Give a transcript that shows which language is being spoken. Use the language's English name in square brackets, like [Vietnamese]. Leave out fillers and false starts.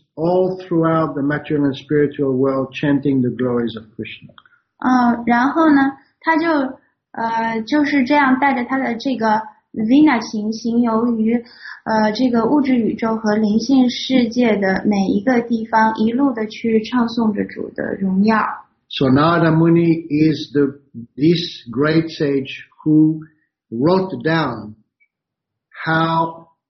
[English] All throughout the material and spiritual world, chanting the glories of Krishna. [Chinese] 然后呢，他就就是这样带着他的这个 Vina 琴行游于这个物质宇宙和灵性世界的每一个地方，一路的去唱诵着主的荣耀。 [English] So Narada Muni is this great sage who wrote down how.